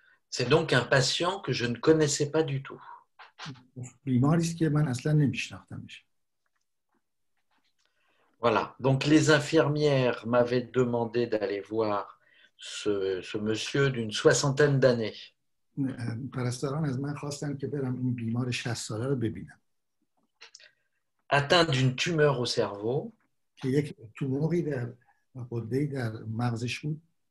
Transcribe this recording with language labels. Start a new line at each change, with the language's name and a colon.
French: C'est donc un patient que je ne connaissais pas du tout.
Persian: بیماری است که من اصلا نمی‌شناختمش.
French: Voilà, donc les infirmières m'avaient demandé d'aller voir ce monsieur d'une soixantaine d'années.
Persian: پرستاران از من خواستن که برم این بیمار 60 ساله رو ببینم.
French: Atteint d'une tumeur au cerveau.
Persian: که یک توموری در غده در مغزش بود.